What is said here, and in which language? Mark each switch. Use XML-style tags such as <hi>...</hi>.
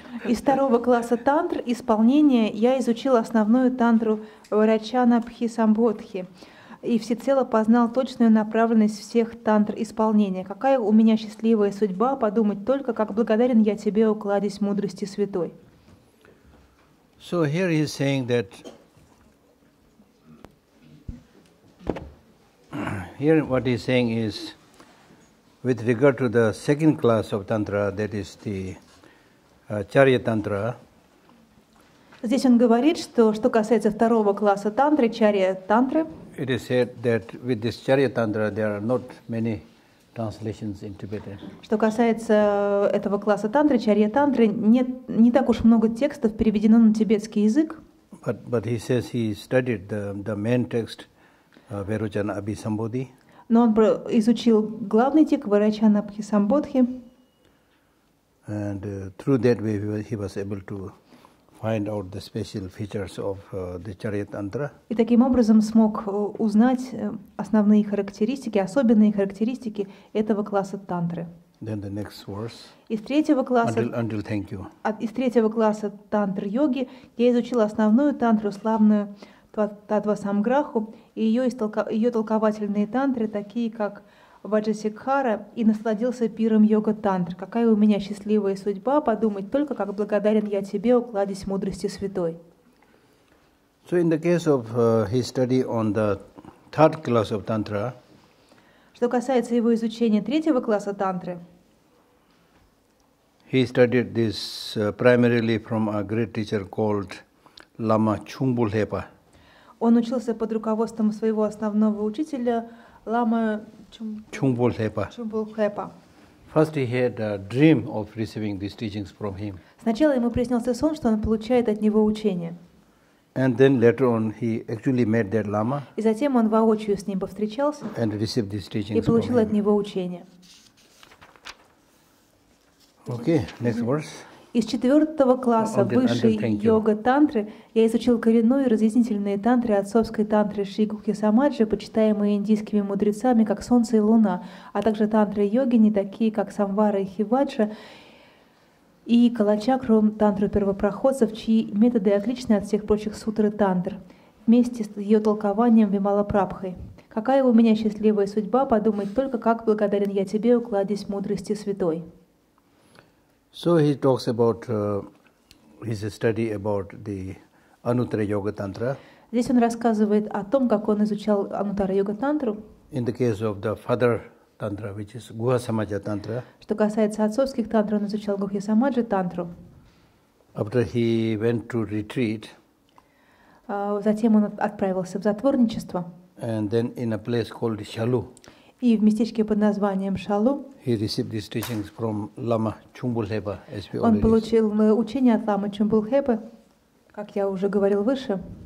<ru>Из второго класса тантр исполнения я изучила основную тантру Варачанабхи Самбодхи и всецело познал точную направленность всех тантр исполнения. Какая у меня счастливая судьба, подумать только, как благодарен я тебе, о кладезь мудрости святой.</ru> <en>So here he is saying that here what he is saying is with regard to the second class of tantra, that is the Чарья тантра.</en> <ru>Здесь он говорит, что что касается второго класса тантры, чарья тантры.</ru> <en>It is said that with this чарья тантра there are not many translations in Tibetan.</en> <ru>Что касается этого класса тантры, чарья тантры, нет не так уж много текстов переведено на тибетский язык.</ru> <en>But he says he studied the main text Варачанабхи Самбодхи.</en> <ru>Но он изучил главный текст Варачанабхи Самбодхи.</ru> <en>And through that way he was able to find out the special features of the Чарья Тантра.</en> <ru>И таким образом смог узнать основные характеристики, особенные характеристики этого класса тантры.</ru> <en>Then the next verse.</en> <ru>Из третьего класса.</ru> <en>Until thank you.</en> <ru>Из третьего класса тантр йоги я изучил основную тантру славную Тадвасамграху и ее толковательные тантры такие как Ваджасикхара и насладился пиром йога-тантр. Какая у меня счастливая судьба, подумать только, как благодарен я тебе, о кладезь мудрости святой.</ru> <en>So in the case of his study on the third class of tantra,</en> <ru>что касается его изучения третьего класса тантры,</ru> <en>he studied this primarily from a great teacher called Lama Chungpo Lhepa.</en> <ru>Он учился под руководством своего основного учителя Лама Чунгпо Лхэпа.</ru> <en>First he had a dream of receiving these teachings from him.</en> <ru>Сначала ему приснился сон, что он получает от него учение.</ru> <en>And then later on he actually met that lama.</en> <ru>И затем он воочию с ним повстречался.</ru> <en>And received these teachings.</en> <ru>И получил от него учение.</ru> <en>Okay, next verse.</en> <ru>Из четвертого класса высшей йога-тантры я изучил коренную и разъяснительные тантры отцовской тантры Шигухи Самаджи, почитаемые индийскими мудрецами, как солнце и луна, а также тантры йогини, такие как Самвара и Хиваджа, и Калачакру, тантру первопроходцев, чьи методы отличны от всех прочих сутры тантр, вместе с ее толкованием Вималапрабхой. Какая у меня счастливая судьба, подумать только, как благодарен я тебе, о кладезь мудрости святой.</ru> <en>So he talks about his study about the Anuttara Yoga Tantra.</en> <ru>Здесь он рассказывает о том, как он изучал Anuttara Yoga Tantra.</ru> <en>In the case of the father tantra, which is Guha Samaja Tantra.</en> <ru>Что касается отцовских тантр, он изучал Гухи Самаджа Тантру.</ru> <en>After he went to retreat.</en> <ru>Затем он отправился в затворничество.</ru> <en>And then in a place called Shalu.</en> <ru>И в местечке под названием Шалу</ru> <en>he received these teachings from Lama Chungpo Lhepa, as we</en> <ru>он получил учение от Лама Чунгпо Лхэпы, как я уже говорил выше.</ru>